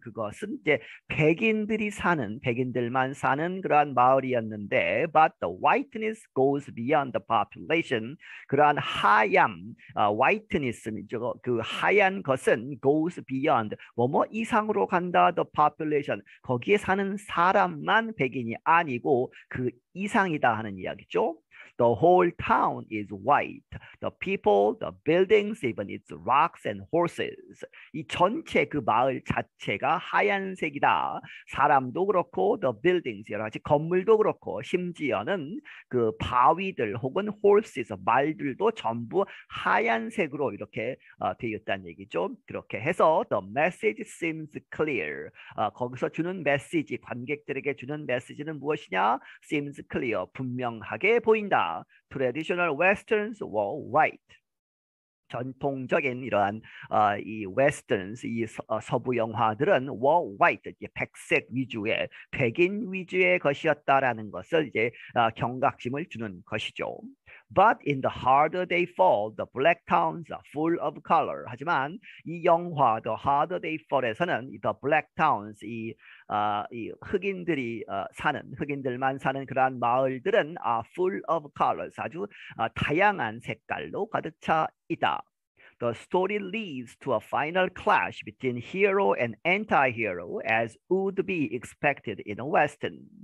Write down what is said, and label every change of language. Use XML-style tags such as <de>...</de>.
<ko>그것은 이제 백인들이 사는 백인들만 사는 그러한 마을이었는데</ko> <en>but the whiteness goes beyond the population.</en> <ko>그러한 하얀 whiteness는 저그 하얀 것은</ko> <en>goes beyond</en> <ko>뭐뭐 이상으로 간다,</ko> <en>the population.</en> <ko>거기에 사는 사람만 백인이 아니고 그 이상이다 하는 이야기죠.</ko> <en>The whole town is white. The people, the buildings, even its rocks and horses.</en> <ko>이 전체 그 마을 자체가 하얀색이다. 사람도 그렇고,</ko> <en>the buildings,</en> <ko>여러 가지 건물도 그렇고, 심지어는 그 바위들 혹은 horses, 말들도 전부 하얀색으로 이렇게 되었다는 얘기죠. 그렇게 해서</ko> <en>the message seems clear.</en> <ko>거기서 주는 메시지, 관객들에게 주는 메시지는 무엇이냐?</ko> <en>Seems clear.</en> <ko>분명하게 보인다.</ko> <en>Traditional Westerns were white.</en> <ko>전통적인 이러한 이 웨스턴스 이 서부 영화들은 워화이트 이제 백색 위주의 백인 위주의 것이었다라는 것을 이제 경각심을 주는 것이죠.</ko> <en>But in the harder they fall, the black towns are full of color.</en> <ko>하지만 이 영화 The Harder They Fall에서는 이</ko> <en>The Black Towns</en> <ko>이 흑인들이 사는 흑인들만 사는 그러한 마을들은</ko> <en>are full of colors.</en> <ko>아주 다양한 색깔로 가득 차 있다.</ko> <en>The story leads to a final clash between hero and anti-hero, as would be expected in a Western.</en>